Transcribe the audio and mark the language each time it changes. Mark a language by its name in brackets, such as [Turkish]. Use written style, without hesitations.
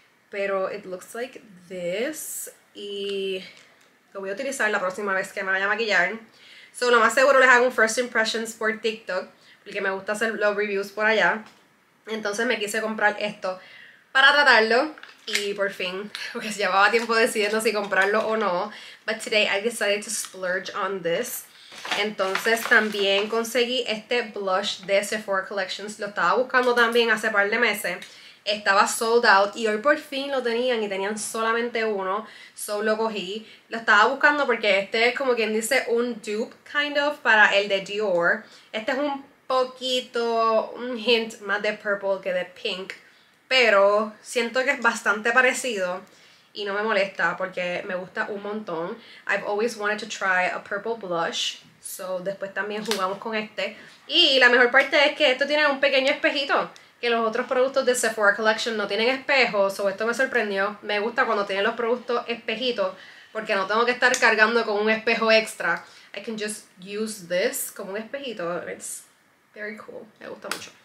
[Spanish] Pero [English] it looks like this [Spanish] y lo voy a utilizar la próxima vez que me vaya a maquillar. So, lo más seguro les hago un first impressions por TikTok, porque me gusta hacer los reviews por allá. Entonces me quise comprar esto para tratarlo y por fin, pues llevaba tiempo decidiendo si comprarlo o no. [English] But today I decided to splurge on this. [Spanish] Entonces también conseguí este blush de Sephora Collections. Lo estaba buscando también hace par de meses. Estaba [English] sold out [Spanish] y hoy por fin lo tenían y tenían solamente uno. So lo cogí. Lo estaba buscando porque este es como quien dice un dupe [English] kind of [Spanish] para el de Dior. Este es un poquito, un hint más de purple que de pink, pero siento que es bastante parecido y no me molesta porque me gusta un montón. [English] I've always wanted to try a purple blush. [Spanish] So después también jugamos con este. Y la mejor parte es que esto tiene un pequeño espejito, que los otros productos de Sephora Collection no tienen espejos. O esto me sorprendió. Me gusta cuando tienen los productos espejitos, porque no tengo que estar cargando con un espejo extra. [English] I can just use this [Spanish] como un espejito. [English] It's very cool. [Spanish] Me gusta mucho.